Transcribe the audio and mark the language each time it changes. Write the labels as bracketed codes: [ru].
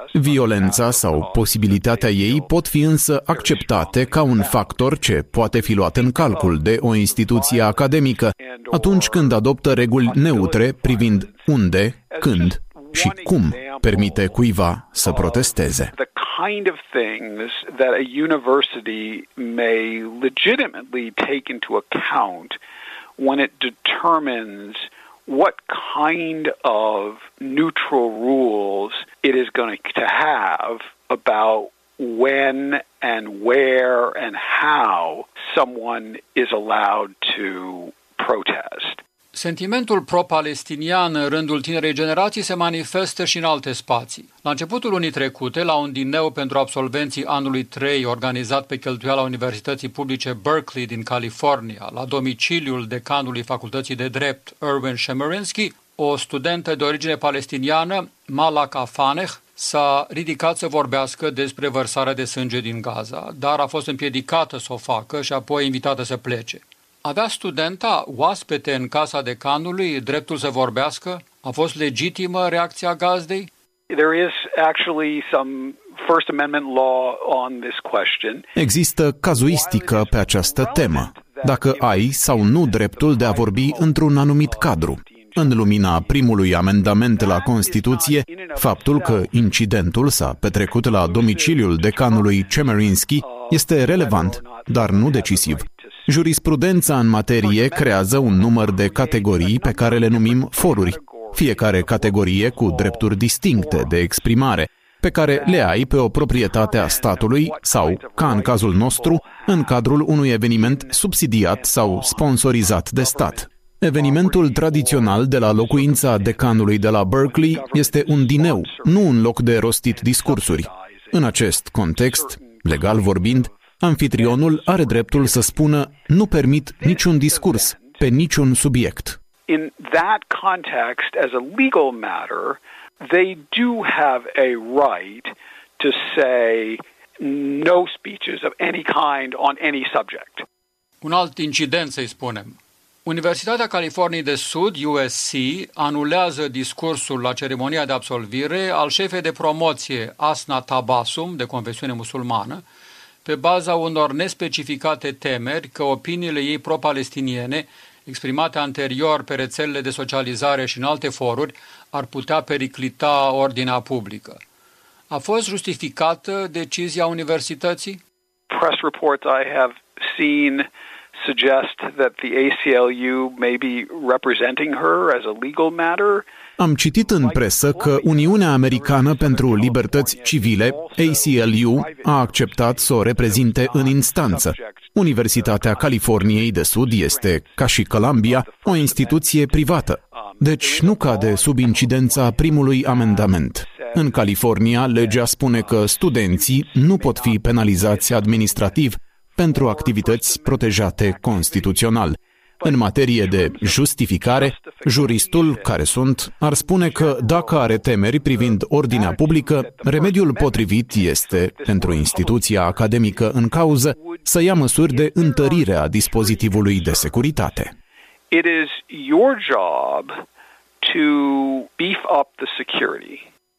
[ro] Violența sau posibilitatea ei pot fi însă acceptate ca un factor ce poate fi luat în calcul de o instituție academică atunci când adoptă reguli neutre privind unde, când și cum permite cuiva să protesteze. [en] Kind of things that a university may legitimately take into account when it determines what kind of neutral rules it is going to have about when and where and how someone is allowed to protest. [ro] Sentimentul pro-palestinian în rândul tinerei generații se manifestă și în alte spații. La începutul lunii trecute, la un dineu pentru absolvenții anului 3 organizat pe cheltuiala Universității Publice Berkeley din California, la domiciliul decanului Facultății de Drept, Erwin Shemerinsky, o studentă de origine palestiniană, Malak Afaneh, s-a ridicat să vorbească despre vărsarea de sânge din Gaza, dar a fost împiedicată să o facă și apoi invitată să plece. Avea studenta, oaspete în casa decanului, dreptul să vorbească? A fost legitimă reacția gazdei? [en] There is actually some First Amendment law on this question. [ro] Există cazuistică pe această temă. Dacă ai sau nu dreptul de a vorbi într-un anumit cadru. În lumina primului amendament la Constituție, faptul că incidentul s-a petrecut la domiciliul decanului Chemerinsky este relevant, dar nu decisiv. Jurisprudența în materie creează un număr de categorii pe care le numim foruri, fiecare categorie cu drepturi distincte de exprimare, pe care le ai pe o proprietate a statului sau, ca în cazul nostru, în cadrul unui eveniment subsidiat sau sponsorizat de stat. Evenimentul tradițional de la locuința decanului de la Berkeley este un dineu, nu un loc de rostit discursuri. În acest context, legal vorbind, amfitrionul are dreptul să spună: nu permit niciun discurs pe niciun subiect. [en] In that context, as a legal matter, they do have a right to say no speeches of any kind on any subject. [ro] Un alt incident, să-i spunem. Universitatea Californiei de Sud, USC, anulează discursul la ceremonia de absolvire al șefei de promoție, Asna Tabassum, de confesiune musulmană, pe baza unor nespecificate temeri că opiniile ei pro-palestiniene, exprimate anterior pe rețelele de socializare și în alte foruri, ar putea periclita ordinea publică. A fost justificată decizia universității? [en] Press reports I have seen suggest that the ACLU may be representing her as a legal matter. [ro] Am citit în presă că Uniunea Americană pentru Libertăți Civile, ACLU, a acceptat să o reprezinte în instanță. Universitatea Californiei de Sud este, ca și Columbia, o instituție privată, deci nu cade sub incidența primului amendament. În California, legea spune că studenții nu pot fi penalizați administrativ pentru activități protejate constituțional. În materie de justificare, juristul care sunt ar spune că dacă are temeri privind ordinea publică, remediul potrivit este, pentru instituția academică în cauză, să ia măsuri de întărire a dispozitivului de securitate. [en] It is your job to beef up the security.